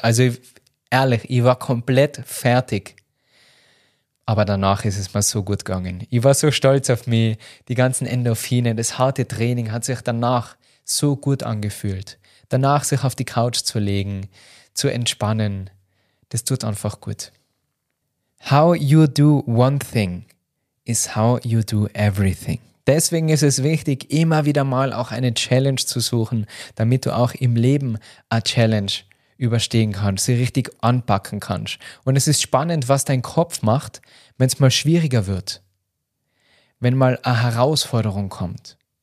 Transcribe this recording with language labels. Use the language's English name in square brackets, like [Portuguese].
[German] Also ehrlich, ich war komplett fertig. Aber danach ist es mir so gut gegangen. Ich war so stolz auf mich, die ganzen Endorphine, das harte Training hat sich danach so gut angefühlt. Danach sich auf die Couch zu legen, zu entspannen, das tut einfach gut. [English] How you do one thing is how you do everything. [German] Deswegen ist es wichtig, immer wieder mal auch eine Challenge zu suchen, damit du auch im Leben eine Challenge überstehen kannst, sie richtig anpacken kannst. Und es ist spannend, was dein Kopf macht, wenn es mal schwieriger wird, wenn mal eine Herausforderung kommt.